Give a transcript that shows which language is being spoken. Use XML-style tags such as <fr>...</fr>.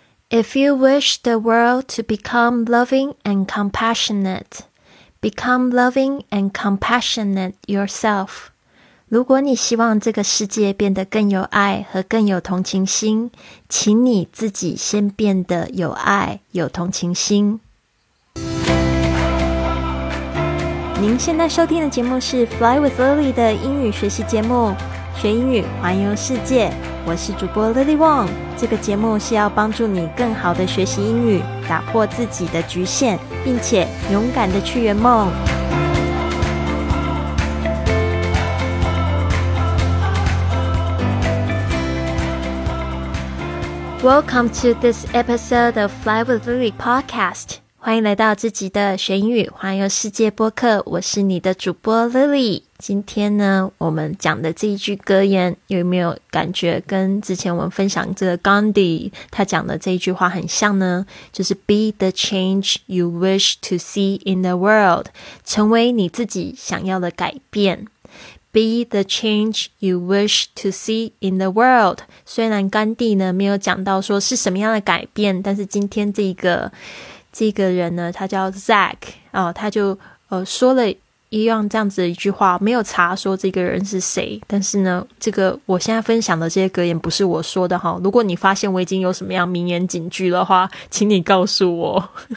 <en>If you wish the world to become loving and compassionate, become loving and compassionate yourself.</en> <zh>如果你希望这个世界变得更有爱和更有同情心，请你自己先变得有爱，有同情心。您现在收听的节目是 Fly with Lily 的英语学习节目，学英语，环游世界。我是主播 Lily Wong， 这个节目是要帮助你更好的学习英语，打破自己的局限，并且勇敢的去圆梦。</zh> <en>Welcome to this episode of Fly with Lily podcast.</en> <zh>欢迎来到这集的学英语环游世界播客，我是你的主播 Lily。今天呢，我们讲的这一句格言，有没有感觉跟之前我们分享这个 Gandhi 他讲的这一句话很像呢？就是</zh> <en>Be the change you wish to see in the world，</en> <zh>成为你自己想要的改变。</zh> <en>Be the change you wish to see in the world。</en> <zh>虽然甘地呢没有讲到说是什么样的改变，但是今天这个人呢，他叫 Zach、哦、他就说了一样这样子的一句话，没有查说这个人是谁，但是呢这个我现在分享的这些格言不是我说的、哦、如果你发现我已经有什么样名言警句的话，请你告诉我</zh>